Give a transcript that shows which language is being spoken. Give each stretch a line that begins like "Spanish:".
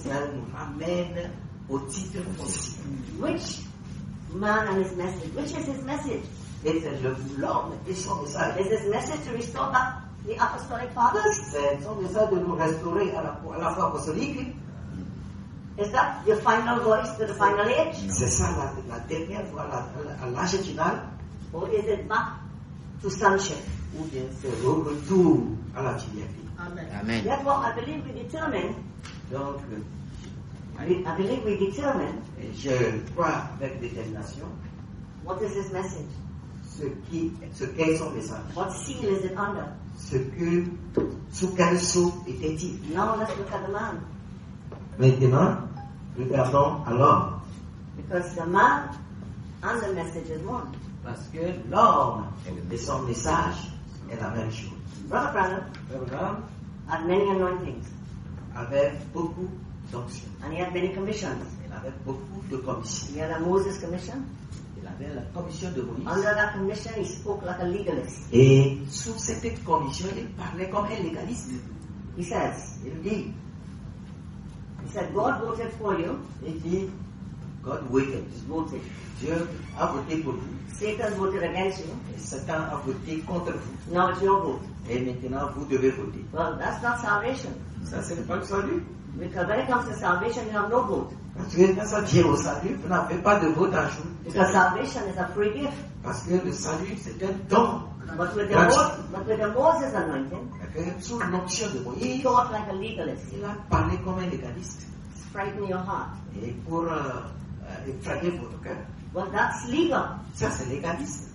French: Ça nous ramène au titre aussi.
English: Which man and his message? Which is his message?
French: Et c'est l'homme et son message.
English: Is his message to restore back? The apostolic fathers?
French: C'est son message de nous restaurer à la foi apostolique.
English: Is that your final voice to the final age?
French: C'est ça la dernière voix à l'âge final.
English: Or is it back to sonship?
French: Ou bien c'est le retour à la filiation.
English: Amen. That's what I believe we determine.
French: Donc,
English: I believe we determine.
French: Et je crois avec détermination.
English: What is his message?
French: Ce qu'est son message.
English: What seal is it under?
French: Sous quel sceau était-il?
English: Now let's look at the man.
French: Maintenant, regardons à l'homme.
English: Because the man and the message is one.
French: Parce que l'homme et son message est la même chose.
English: Brother Branham had many anointings.
French: Avait beaucoup d'onctions.
English: And he had many commissions.
French: Il avait beaucoup de commissions.
English: He had a Moses commission.
French: La commission de Moïse.
English: Under that commission, he spoke like a legalist.
French: Et sous cette commission, il parlait comme un légaliste.
English: He says,
French: il dit,
English: he said, God voted for you.
French: Il dit,
English: God voted.
French: Dieu a voté pour vous.
English: Satan voted against you.
French: Et Satan a voté contre vous.
English: Now it's your vote.
French: Et maintenant, vous devez voter.
English: Well, that's not salvation.
French: Ça, ce n'est pas le salut.
English: Because when it comes to salvation, you have no vote.
French: Parce que quand ça vient au salut, vous n'avez pas de vote à jouer.
English: Because salvation is a free gift.
French: Parce que le salut, c'est un don.
English: But with the, but with the Moses anointing, he thought like a legalist.
French: Il a parlé comme un légaliste.
English: Frighten your heart.
French: Et pour effrayer votre cœur.
English: Well, that's legal.
French: Ça, c'est légaliste.